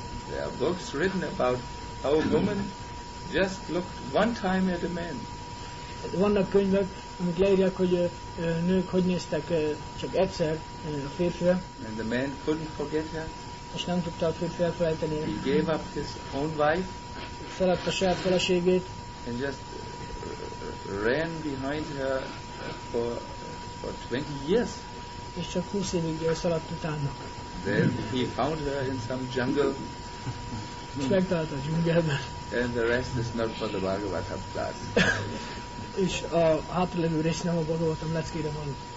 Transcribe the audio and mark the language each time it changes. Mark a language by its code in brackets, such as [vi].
[en] There are books written about how a woman just looked one time at a man. [hu] Vannak könyvek, amik leírják, hogy nők hogy néztek csak egyszer a férfira. [en] And the man couldn't forget her. [hu] És nem tudta a férfi elfelejteni. [en] He gave up his own wife. [hu] Feladta saját feleségét. [en] And just ran behind her for 20 years. [hu] És csak 20 évig szaladt utána. [en] Then he found her in some jungle. [hu] És megtalálta a dzsungelben. [en] And the rest is not for the Bhagavata class. [hu] És a hátralévő rész nem a Bhagavatam leckére való.